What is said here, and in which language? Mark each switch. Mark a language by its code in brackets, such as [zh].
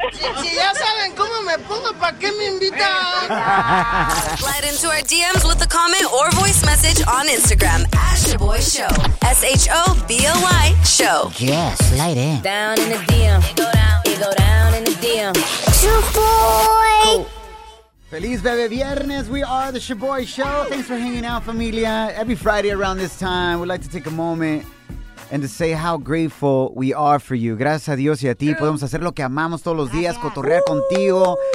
[es] si ya saben cómo me pongo, ¿para qué me invitan? [en] Slide into our DMs with a comment or voice message on Instagram at Shoboy Show. S-H-O-B-O-Y Show. Yeah, slide in. Down in the DM. Shoboy. Cool. [es] Feliz Bebe Viernes, [en] we are the Shoboy Show. Thanks for hanging out, familia. Every Friday around this time, we'd like to take a moment and to say how grateful we are for you. [es] Gracias a Dios y a ti. True. Podemos hacer lo que amamos todos los días, cotorrear contigo.